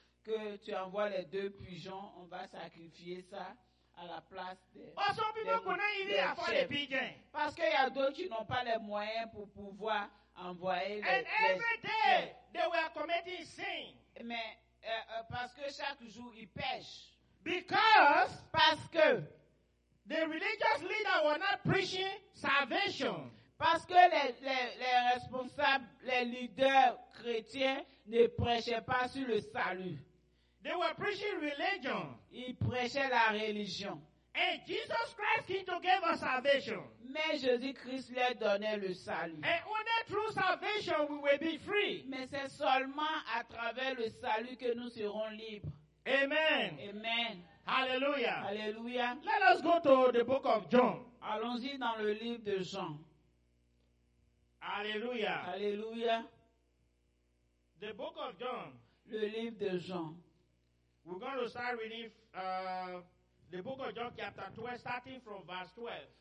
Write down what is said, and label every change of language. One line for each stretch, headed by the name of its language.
French: Que tu envoies les 2 pigeons, on va sacrifier ça à la place des.
English: Oh, some people cannot even afford the pigeons.
French: Parce qu'il y a d'autres qui n'ont pas les moyens pour pouvoir envoyer les.
English: And every day they were committing sin.
French: Mais parce que chaque jour il pêche.
English: Because
French: parce que
English: the religious leaders were not preaching salvation.
French: Parce que les responsables, les leaders chrétiens ne prêchaient pas sur le salut.
English: They were preaching religion.
French: Ils prêchaient la religion.
English: And Jesus Christ came to give us salvation.
French: Mais Jésus-Christ lui a donné le salut.
English: And only through salvation we will be free.
French: Mais c'est seulement à travers le salut que nous serons libres.
English: Amen.
French: Amen.
English: Hallelujah.
French: Hallelujah.
English: Let us go to the book of John.
French: Allons-y dans le livre de Jean.
English: Hallelujah.
French: Hallelujah.
English: The book of John.
French: Le livre de Jean.
English: We're going to start reading the book of John chapter 12, starting from verse 12.